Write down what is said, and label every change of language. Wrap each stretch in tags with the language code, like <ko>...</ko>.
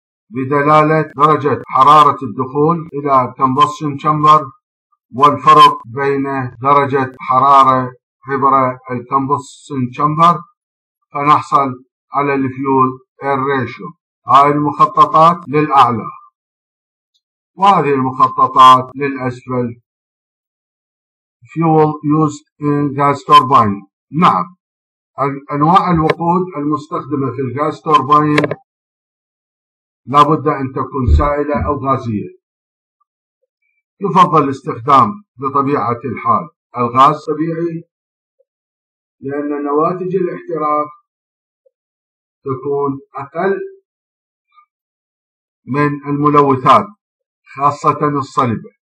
<ar>بدلالة درجة حرارة الدخول إلى كومبشن تشامبر والفرق بين درجة حرارة عبر الكومبشن تشامبر، فنحصل على الفيول اير ريشيو. هاي المخططات للأعلى، وهذه المخططات للأسفل.</ar> <en>Fuel used in gas turbine.</en> <ar>نعم، أنواع الوقود المستخدمة في الغاز توربين لابد أن تكون سائلة أو غازية. يفضل استخدام بطبيعة الحال الغاز الطبيعي، لأن نواتج الاحتراق تكون أقل من الملوثات خاصة الصلبة.</ar>